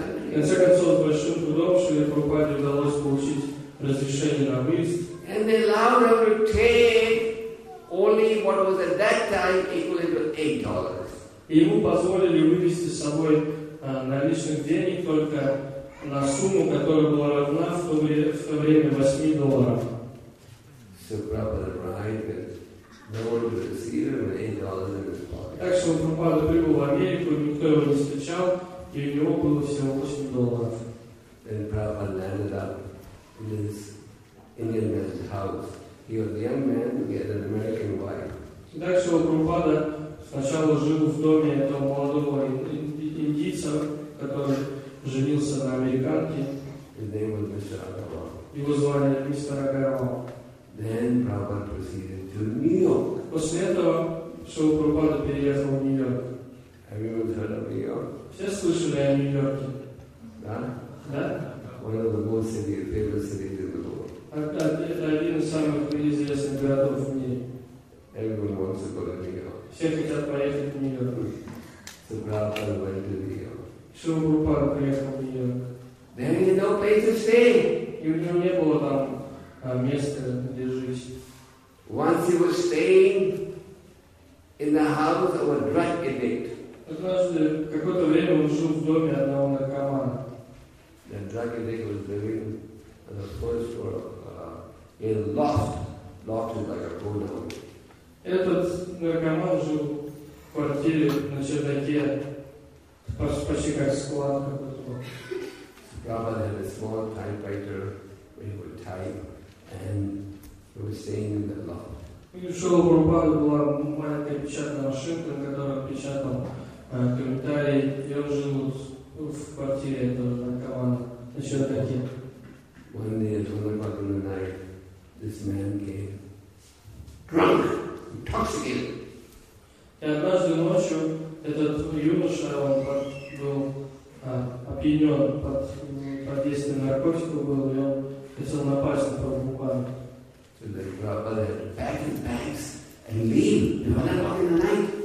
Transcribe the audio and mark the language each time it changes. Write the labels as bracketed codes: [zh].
[ru] В конце концов, большим трудом Шриле Прабхупаде удалось получить разрешение на выезд. [en] And they allowed him to take only what was at that time equivalent to $8. [ru] И ему позволили вывести с собой наличных денег только на сумму, которая была равна в то время $8. [en] So Prabhupada arrived, no one would receive him $8 in his pocket. [ru] Так что Прабхупада прибыл в Америку, никто его не встречал. И у него было всего $8. [en] Then Prabhupada landed up in this Indian man's house. He was a young man, he had an American wife. [ru] Так что Прабхупада сначала жил в доме этого молодого индийца, который женился на американке. [en] His name was Mr. Agarwal. [ru] Его звали мистер Агарвал. [en] Then Prabhupada proceeded to New York. [ru] После этого Шрила Прабхупада переехал в Нью-Йорк. [en] Have you ever heard of New York? [ru] Все слышали о Нью-Йорке. Да? Да? [en] One of the most cities, famous cities in the world. [ru] Это один из самых известных городов в мире. [en] Everyone wants to go to New York. [ru] Все хотят поехать в Нью-Йорк. [en] So Prabhupada went to New York. [ru] Шрила Прабхупада приехал в Нью-Йорк. [en] Then he had no place to stay. [ru] И у него не было там места, где жить. [en] Once he was staying in the house of a drug addict. [ru] Однажды, какое-то время он жил в доме одного наркомана. [en] The drug addict was living on the first floor in a loft. Loft is like a condo. [ru] Этот наркоман жил в квартире на чердаке, почти как склад какой-то. [en] Prabhupada had a small typewriter where he would type and he was staying in the loft. [ru] У Шрилы Прабхупады была маленькая печатная машинка, на которой он печатал комментарии, и он жил в квартире этого наркомана на чердаке. [en] One day at 1 o'clock in the night, this man came drunk, intoxicated. [ru] И однажды ночью этот юноша, он был опьянен под действием наркотиков, и он хотел напасть на Прабхупаду. [en] So they brought him back in bags and leave at 1 o'clock in the night.